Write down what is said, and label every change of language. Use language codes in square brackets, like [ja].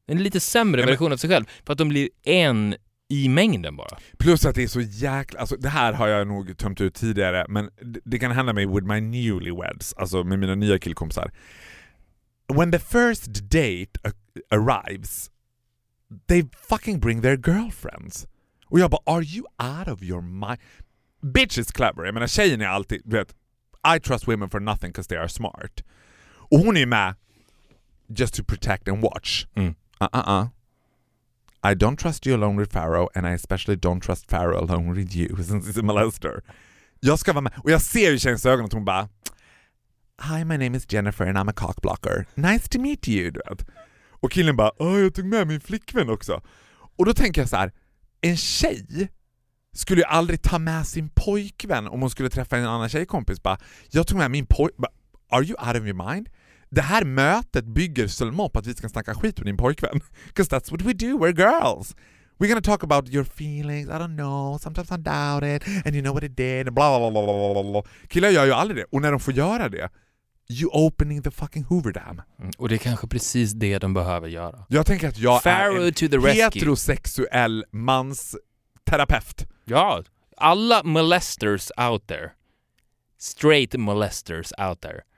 [sv] En lite sämre version av sig själv. För att de blir en i mängden bara. Plus att det är så jäkla, alltså det här har jag nog tömt ut tidigare, men det kan hända mig [en] with my newlyweds, [sv] alltså med mina nya killkompisar. [en] When the first date arrives, they fucking bring their girlfriends. [sv] Och jag bara, [en] are you out of your mind? Bitch is clever. [sv] Jag menar, tjejen är alltid, vet, [en] I trust women for nothing because they are smart. [sv] Och hon är med [en] just to protect and watch. I don't trust you alone with Pharaoh, and I especially don't trust Pharaoh alone with you, since he's a molester. [sv] Jag ska vara med. Och jag ser ju tjejens ögon att hon bara, [en] hi, my name is Jennifer and I'm a cockblocker. Nice to meet you. [sv] Och killen bara, åh, jag tog med min flickvän också. Och då tänker jag så här, en tjej skulle ju aldrig ta med sin pojkvän om hon skulle träffa en annan tjejkompis. Bara, jag tog med min pojkvän. [en] Are you out of your mind? [sv] Det här mötet bygger Selma på att vi ska snacka skit med din pojkvän. [en] Because that's what we do, we're girls. We're gonna talk about your feelings, I don't know, sometimes I doubt it, and you know what it did, blah, blah, blah, blah, blah. [sv] Killar gör ju aldrig det. Och när de får göra det, [en] you opening the fucking Hoover Dam. [sv] Mm, och det är kanske precis det de behöver göra. Jag tänker att jag Pharaoh är en to the heterosexuell mans terapeut. [en] Ja, alla molesters out there, straight molesters out there,